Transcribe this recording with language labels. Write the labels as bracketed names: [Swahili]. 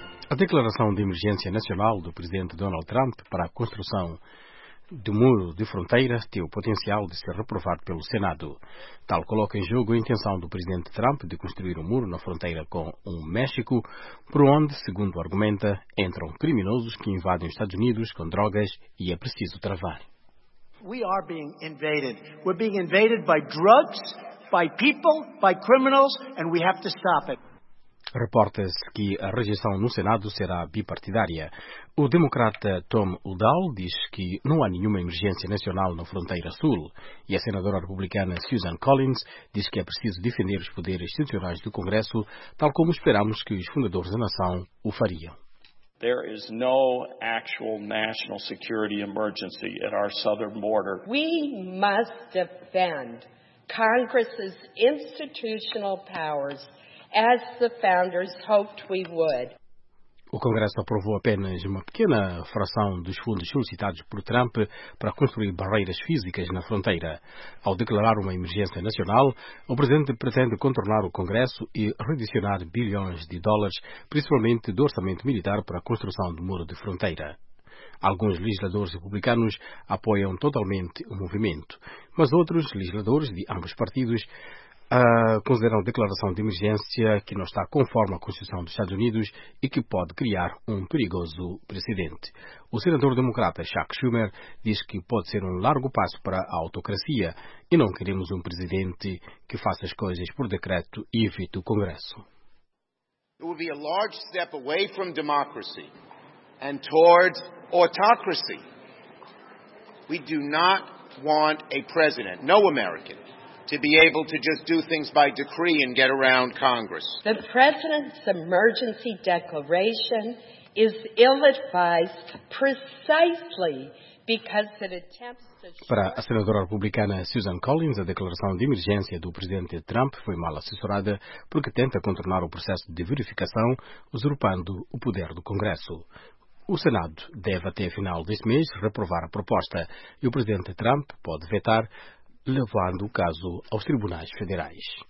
[Portuguese] A declaração de emergência nacional do presidente Donald Trump para a construção do muro de fronteira tem o potencial de ser reprovado pelo Senado. Tal coloca em jogo a intenção do presidente Trump de construir um muro na fronteira com o México, por onde, segundo argumenta, entram criminosos que invadem os Estados Unidos com drogas e é preciso travar. [English] We are being invaded. We're being invaded by drugs, by people, by criminals, and we have to stop it. [Portuguese] Reporta-se que a rejeição no Senado será bipartidária. O democrata Tom Udall diz que não há nenhuma emergência nacional na fronteira sul e a senadora republicana Susan Collins diz que é preciso defender os poderes institucionais do Congresso, tal como esperamos que os fundadores da nação o fariam. [English] There is no actual national security emergency at our southern border. We must defend Congress's institutional powers. As the founders hoped we would. [Portuguese] O Congresso aprovou apenas uma pequena fração dos fundos solicitados por Trump para construir barreiras físicas na fronteira. Ao declarar uma emergência nacional, o presidente pretende contornar o Congresso e redicionar bilhões de dólares, principalmente do orçamento militar, para a construção do muro de fronteira. Alguns legisladores republicanos apoiam totalmente o movimento, mas outros legisladores de ambos partidos consideram declaração de emergência que não está conforme à Constituição dos Estados Unidos e que pode criar um perigoso precedente. O senador democrata Chuck Schumer diz que pode ser um largo passo para a autocracia e não queremos um presidente que faça as coisas por decreto e evite o Congresso. [English] It would be a large step away from democracy and towards autocracy. We do not want a president, no American, to be able to just do things by decree and get around Congress. The president's emergency declaration is ill-advised precisely because it attempts to... [Portuguese] Para a senadora republicana Susan Collins, a declaração de emergência do presidente Trump foi mal assessorada porque tenta contornar o processo de verificação, usurpando o poder do Congresso. O Senado deve até a final deste mês reprovar a proposta e o presidente Trump pode vetar, levando o caso aos tribunais federais.